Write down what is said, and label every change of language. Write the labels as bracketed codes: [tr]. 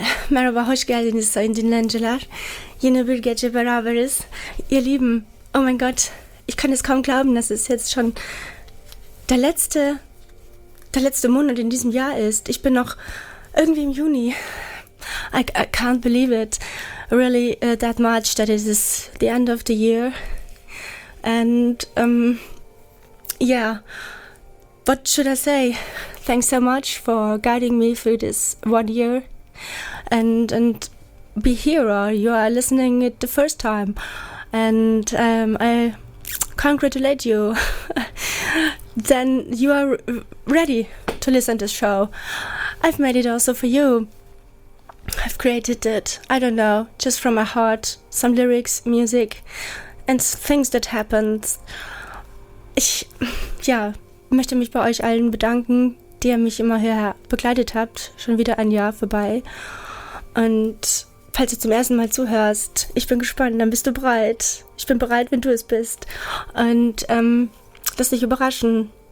[tr] Merhaba, hoş geldiniz sayın dinleyiciler. Yine bir gece beraberiz. [de] Ihr Lieben, oh mein Gott, ich kann es kaum glauben, dass es jetzt schon der letzte Monat in diesem Jahr ist. Ich bin noch irgendwie im Juni. [en] I can't believe it. Really, that much, that it is the end of the year. And, yeah, what should I say? Thanks so much for guiding me through this 1 year. And be here, or you are listening it the first time, and I congratulate you. Then you are ready to listen to this show. I've made it also for you. I've created it, I don't know, just from my heart, some lyrics, music, and things that happened. [de] Möchte mich bei euch allen bedanken, die ihr mich immer hier begleitet habt, schon wieder ein Jahr vorbei. Und falls du zum ersten Mal zuhörst, ich bin gespannt, dann bist du bereit. Ich bin bereit, wenn du es bist. Und lass dich überraschen.